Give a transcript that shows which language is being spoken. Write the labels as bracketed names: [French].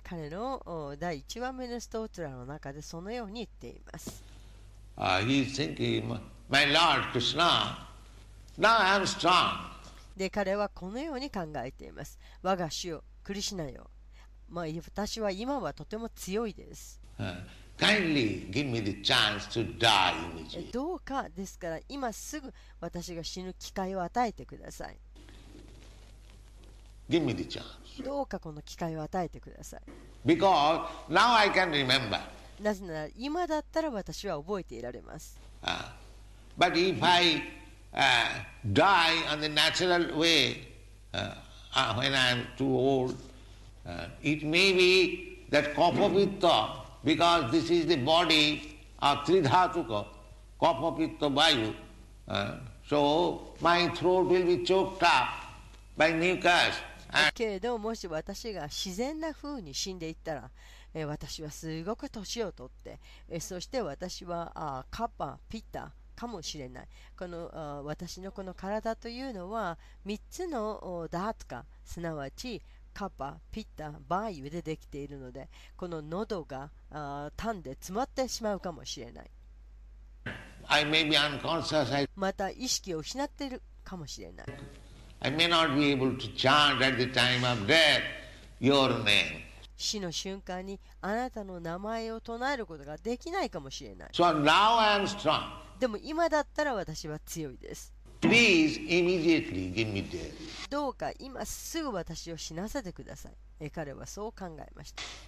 [Japanese] 彼の第一番目のストートラの中でそのように言っています。 [English] He is thinking, my Lord Krishna, now I am strong. [Japanese] で、彼はこのように考えています。我が主よ、クリシナよ、まあ、私は今はとても強いです。 [English] Kindly give me the chance to die immediately. [Japanese] どうかですから、今すぐ私が死ぬ機会を与えてください。 [English] Give me the chance. [Japanese] どうかこの機会を与えてください。 [English] Because now I can remember. [Japanese] なぜなら今だったら私は覚えていられます。 [English] But if I die on the natural way, when I am too old, it may be that kapha-pitta, because this is the body of tridhatuka, kapha-pitta-vayu, so my throat will be choked up by mucus. [Japanese] けれども、もし私が自然な風に死んでいったら、私はすごく年を取って、そして私はカッパ、ピッタかもしれない。この私のこの体というのは3つのダートか、すなわちカッパ、ピッタ、バイユでできているので、この喉が痰で詰まってしまうかもしれない。 [English] I may be unconscious. [Japanese] また意識を失っているかもしれない。 [English] I may not be able to chant at the time of death your name. [Japanese] 死の瞬間にあなたの名前を唱えることができないかもしれない。 [English] So now I am strong. [Japanese] でも今だったら私は強いです。 [English] Please immediately give me death. [Japanese] どうか今すぐ私を死なせてください。彼はそう考えました。